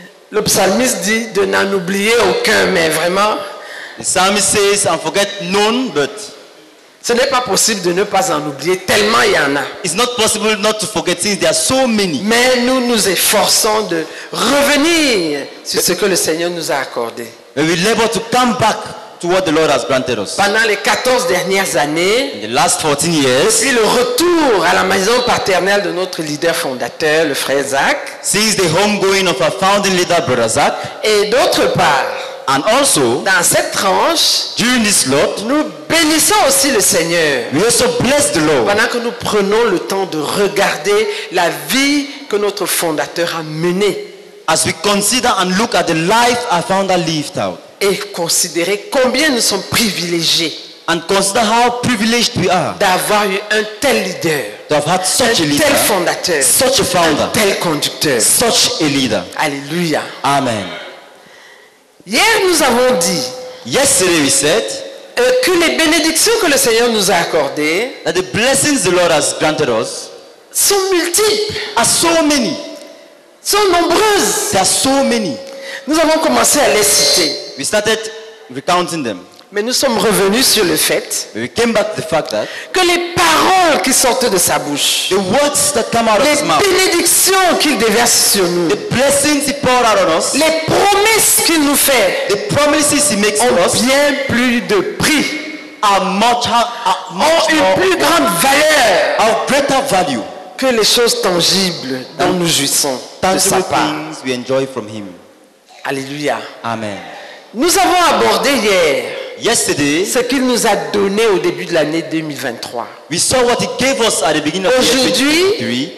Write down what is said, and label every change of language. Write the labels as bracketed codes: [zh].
[fr] Le psalmiste dit de n'en oublier aucun, mais vraiment. [en] The psalmist says, "I forget none, but." [fr] Ce n'est pas possible de ne pas en oublier tellement il y en a. [en] It's not possible not to forget things. There are so many. [fr] Mais nous nous efforçons de revenir sur ce que le Seigneur nous a accordé. [en] But we labor to come back to what the Lord has granted us. [fr] Pendant les 14 dernières années, [en] in the last 14 years, [fr] depuis le retour à la maison paternelle de notre leader fondateur, le frère Zach, [en] since the homegoing of our founding leader, brother Zach, [fr] et d'autre part, [en] and also, [fr] dans cette tranche, [en] during this lot, [fr] nous bénissons aussi le Seigneur. [en] We also bless the Lord. [fr] Pendant que nous prenons le temps de regarder la vie que notre fondateur a menée, [en] as we consider and look at the life our founder lived out, [fr] et considérer combien nous sommes privilégiés, [en] and consider how privileged we are, [fr] d'avoir eu un tel leader, [en] to have had such [fr] un [en] a leader, [fr] tel fondateur, [en] such a founder, [fr] un tel conducteur, [en] such a leader. Alléluia. Amen. [fr] Hier nous avons dit, [en] yesterday we said, [fr] que les bénédictions que le Seigneur nous a accordées, [en] that the blessings the Lord has granted us, [fr] sont multiples, [en] are so many, [fr] sont nombreuses, [en] there are so many. [fr] Nous avons commencé à les citer. [en] We started recounting them. [fr] Mais nous sommes revenus sur le fait, [en] we came back to the fact that, [fr] que les paroles qui sortent de sa bouche, [en] the words that come out of his mouth, [fr] les bénédictions qu'il déverse sur nous, [en] the blessings he pours out on us, [fr] les promesses qu'il nous fait, [en] the promises he makes [fr] ont [en] to us, [fr] bien plus de prix, ont une plus grande valeur, [en] of greater value, [fr] que les choses tangibles dont nous jouissons de sa part. [en] We enjoy from him. Alléluia. Amen. [fr] Nous avons abordé hier [en] yesterday, [fr] ce qu'il nous a donné au début de l'année 2023. [en] We saw what he gave us at the beginning of 2023.